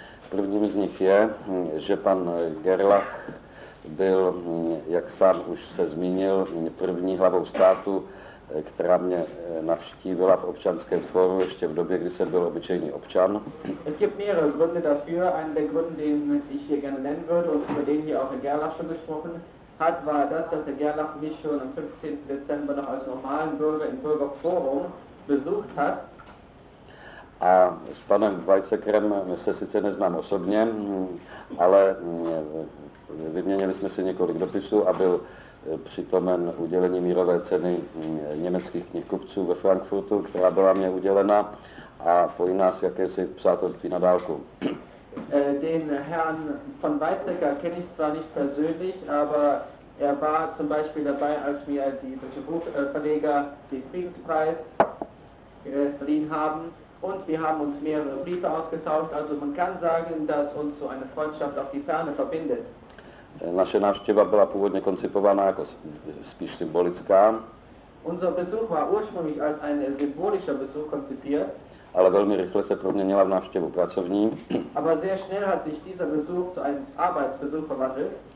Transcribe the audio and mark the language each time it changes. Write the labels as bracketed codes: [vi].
[cs] Prvním z nich je, že pan Gerlach byl, jak sám už se zmínil, první hlavou státu, která mě navštívila v Občanském fóru ještě v době, kdy jsem byl obyčejný občan. [de] Es gibt mehrere Gründe dafür. Einen der Gründe, den ich hier gerne nennen würde und über den hier auch Herr Gerlach schon gesprochen hat, war das, dass Herr Gerlach mich schon am 15. Dezember noch als normalen Bürger im Bürgerforum besucht hat. [cs] A s panem Weizsäckerem se sice neznám osobně, ale vyměnili jsme si několik dopisů a byl přítomen udělení mírové ceny německých knihkupců ve Frankfurtu, která byla mně udělena a pojí nás jakési přátelství na dálku. [de] Den Herrn von Weizsäcker kenne ich zwar nicht persönlich, aber er war zum Beispiel dabei, als wir die deutsche Buchverleger den Friedenspreis verliehen haben und wir haben uns mehrere Briefe ausgetauscht, also man kann sagen, dass uns so eine Freundschaft auf die Ferne verbindet. [cs] Naše návštěva byla původně koncipována jako spíš symbolická. [de] Unser Besuch war ursprünglich als ein symbolischer Besuch konzipiert. [cs] Ale velmi rychle se proměnila v návštěvu pracovní. [de] Aber sehr schnell hat sich dieser Besuch zu einem Arbeitsbesuch verwandelt.